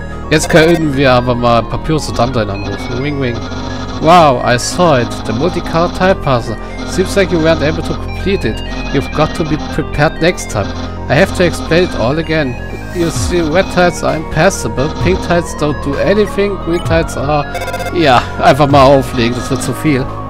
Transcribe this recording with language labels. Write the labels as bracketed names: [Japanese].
[German] Jetzt können wir aber mal Papyrus und Dante anrufen. [English] Wing wing. Wow, I saw it. The multicolor tile puzzle. Seems like you weren't able to complete it. You've got to be prepared next time. I have to explain it all again. You see, red tiles are impassable, pink tiles don't do anything, green tiles are... [German] Ja, einfach mal auflegen, das wird zu viel.